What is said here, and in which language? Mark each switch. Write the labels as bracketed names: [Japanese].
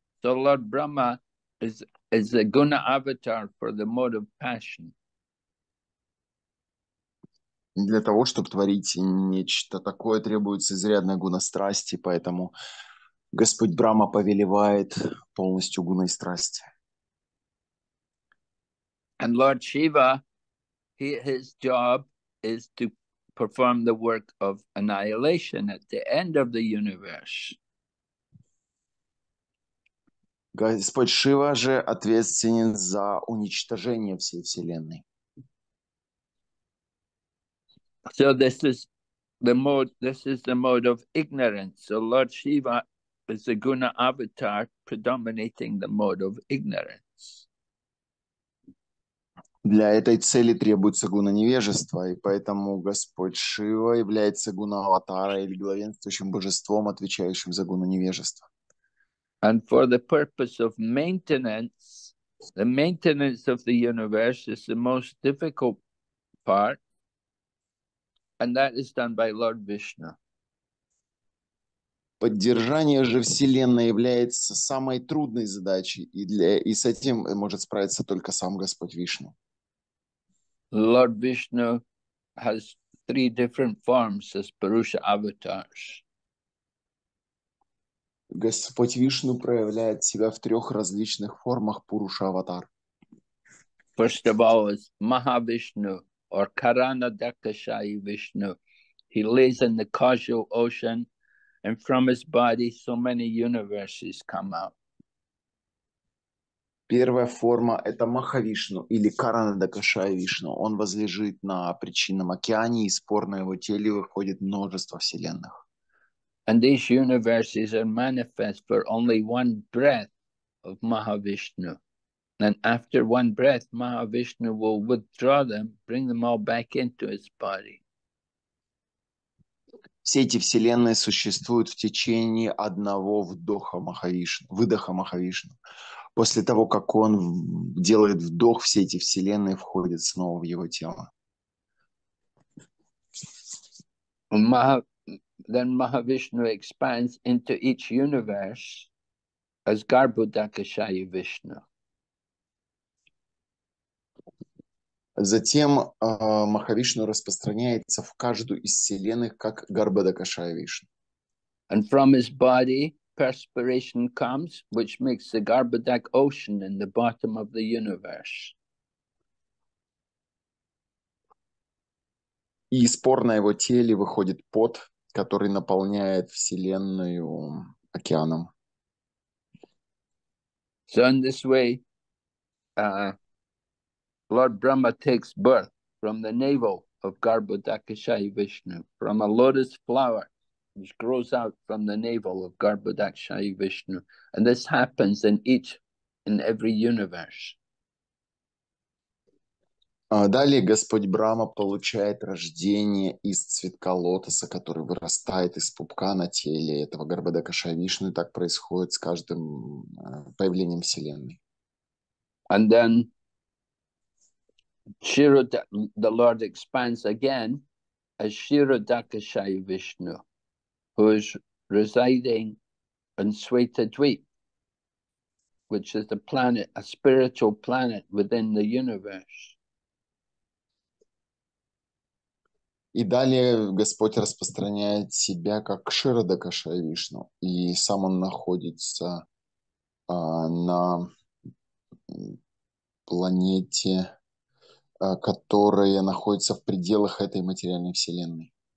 [English] So Lord Brahma is a guna avatar for the mode of passion. [Russian] Для того, чтобы творить нечто такое, требуется изрядная гуна страсти, поэтому Господь Брахма повелевает полностью гуной страсти. [English] And Lord Shiva, his job is to perform the work of annihilation at the end of the universe. [Russian] Господь Шива же ответственен за уничтожение всей Вселенной. [English] So this is the mode of ignorance. So Lord Shiva is the guna avatar predominating the mode of ignorance. [Russian] Для этой цели требуется гуна невежества, и поэтому Господь Шива является гуна аватара или главенствующим божеством, отвечающим за гуну невежества. [English] And for the purpose of maintenance of the universe is the most difficult part, and that is done by Lord Vishnu. [Russian] Поддержание же Вселенной является самой трудной задачей, и с этим может справиться только сам Господь Вишну. [English] Lord Vishnu has three different forms as Purusha avatars. [Russian] Господь Вишну проявляет себя в трех различных формах Пуруша-аватар. [English] First of all is Mahavishnu or Karana Dakshayi Vishnu. He lays in the causal ocean, and from his body so many universes come out. [Russian] Первая форма – это Махавишну или Карана Дакашая Вишну. Он возлежит на причинном океане, и из пор на его теле выходит множество вселенных. [English] And these universes are manifest for only one breath of Mahavishnu. And after one breath, Mahavishnu will withdraw them, bring them all back into his body. [Russian] Все эти вселенные существуют в течение одного вдоха Махавишну, выдоха Махавишну. После того, как он делает вдох, все эти вселенные входят снова в его тело. [English] Then Mahavishnu expands into each universe as Garbhodakshayi Vishnu. [Russian] Затем Махавишну распространяется в каждую из вселенных как Гарбхадакшая Вишну. [English] And from his body perspiration comes, which makes the Garbhodak ocean in the bottom of the universe. [Russian] И из пор на его теле выходит пот, который наполняет вселенную океаном. [English] So in this way, Lord Brahma takes birth from the navel of Garbhodakshayi Vishnu, from a lotus flower which grows out from the navel of Garbhodakshayi Vishnu. And this happens in each and every universe. [Russian] Далее Господь Брама получает рождение из цветка лотоса, который вырастает из пупка на теле этого Гарбхадакшая Вишну. Так происходит с каждым появлением Вселенной. [English] And then Shirodha, the Lord expands again as Shirodakshayi Vishnu, who is residing in Svetadvipa, which is the planet, a spiritual planet within the universe. [Russian] И далее Господь распространяет себя как Ширадакшая Вишну, и сам он находится на планете, которая находится в пределах этой материальной вселенной.